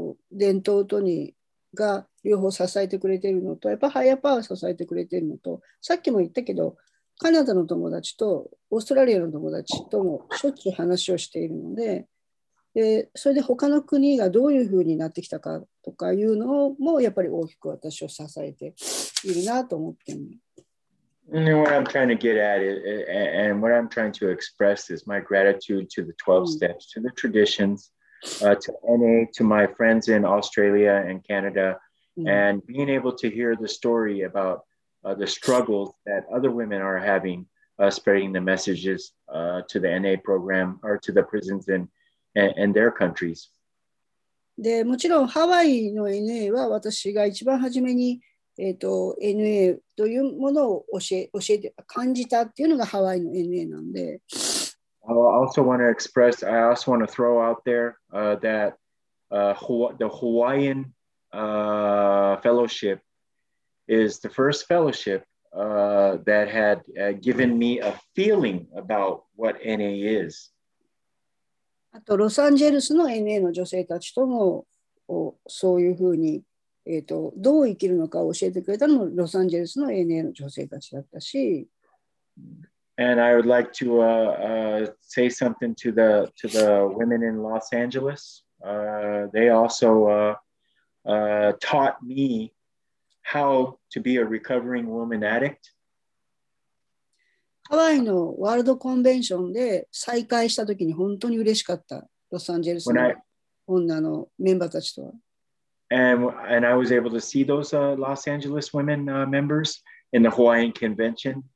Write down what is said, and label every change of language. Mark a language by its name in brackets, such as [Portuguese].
[Japanese] 伝統とにが両方支えてくれているのと、やっぱハイアパワー支えてくれているのと、さっきも言ったけど、カナダの友達とオーストラリアの友達ともしょっちゅう話をしているので、でそれで他の国がどういうふうになってきたかとかいうのもやっぱり大きく私を支えているなと思ってる。 [English] And what I'm trying to get at is, and what I'm trying to express is my gratitude to the 12 steps, to the traditions. To NA, to my friends in Australia and Canada, and being able to hear the story about the struggles that other women are having, spreading the messages to the NA program or to the prisons in their countries. [Japanese] で、もちろんハワイの NA は私が一番初めに、NA というものを教えて感じたっていうのがハワイの NA なんで。 [English] I also want to throw out there that the Hawaiian fellowship is the first fellowship that had given me a feeling about what NA is. [Japanese] あとロサンゼルスの NA の女性たちともそういうふうに、どう生きるのかを教えてくれたのもロサンゼルスの NA の女性たちだったし。 [English] And I would like to say something to the women in Los Angeles. They also taught me how to be a recovering woman addict. [Japanese] ハワイのワールドコンベンションで再会したときに本当に嬉しかった。ロサンゼルスの女のメンバーたちとは。 [English] And I was able to see those Los Angeles women members in the Hawaiian convention.